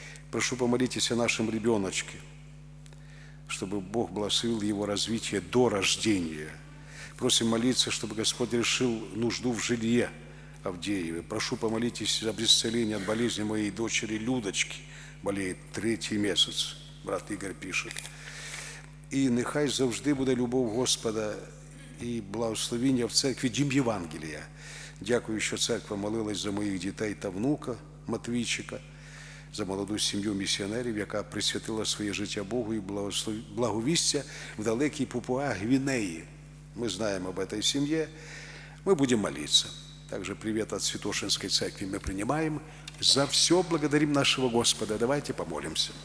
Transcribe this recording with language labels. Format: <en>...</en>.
<ru>Прошу помолитесь о нашем ребеночке, чтобы Бог благословил его развитие до рождения. Просим молиться, чтобы Господь решил нужду в жилье Авдеевой. Прошу помолитесь об исцелении от болезни моей дочери Людочки. Болеет 3-й месяц, брат Игорь пишет.</ru> <uk>И нехай завжди буде любов Господа</uk> <ru>и благословение</ru> <uk>в церкви Дім Євангелія. Дякую, що церква молилась за моїх дітей та внука Матвійчика, за молоду сім'ю місіонерів, яка присвятила своє життя Богу і благовістя в далекій Папуа Гвінеї. Ми знаємо</uk> <ru>об этой</ru> <uk>сім'ї. Ми будемо молитися.</uk> <ru>Также привет от Святошинской церкви мы принимаем. За все благодарим нашего Господа. Давайте помолимся.</ru>